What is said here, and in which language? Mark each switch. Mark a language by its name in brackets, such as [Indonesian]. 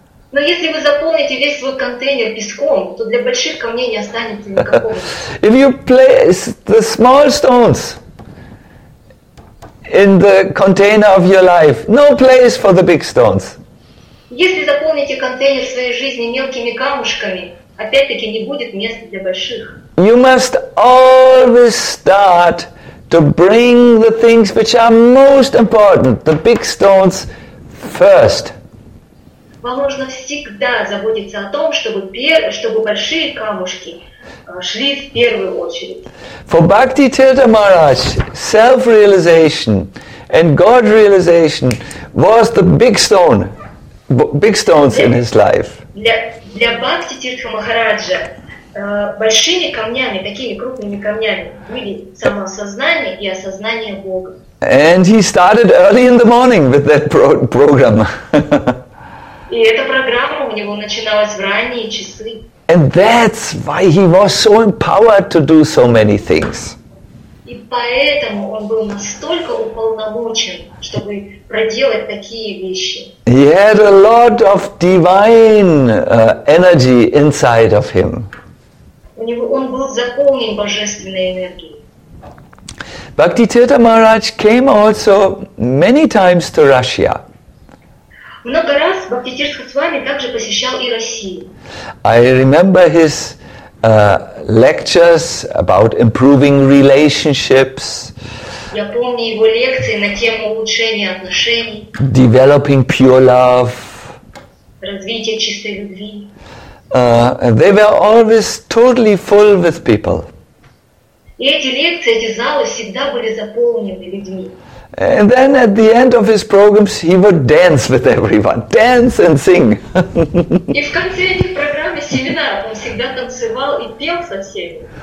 [Russian] Но если вы заполните весь свой контейнер песком, то для больших камней не останется никакого. [English] If you place the small stones in the container of your life, no place for the big stones. [Russian] Если заполните контейнер своей жизни мелкими камушками, опять-таки не будет места для больших. [English] You must always start to bring the things which are most important, the big stones, first. [Russian] Вам нужно всегда заботиться о том, чтобы большие камушки шли в первую очередь. [English] For Bhakti Tirtha Maharaj, self-realization and God-realization was the big stones in his life. [Russian] Для Бхакти Тиртха Махараджа большими камнями, такими крупными камнями, были самоосознание и осознание Бога. [English] And he started early in the morning with that program. [Russian] И эта программа у него начиналась в ранние часы. [English] And that's why he was so empowered to do so many things. [Russian] И поэтому он был настолько уполномочен, чтобы проделать такие вещи. [English] He had a lot of divine energy inside of him. [Russian] Он был заполнен божественной энергией. [English] Bhaktitirtha Maharaj came also many times to Russia. [Russian] Много раз Бхактитирта с вами также посещал и Россию. [English] I remember his lectures about improving relationships. [Russian] Я помню его лекции на тему улучшения отношений. [English] Developing pure love. [Russian] Развитие чистой любви. [English] They were always totally full with people. [Russian] И эти лекции, эти залы всегда были заполнены людьми. [English] And then at the end of his programs, he would dance with everyone, dance and sing. [Russian] И в конце этих программ и семинаров он всегда танцевал и пел со всеми.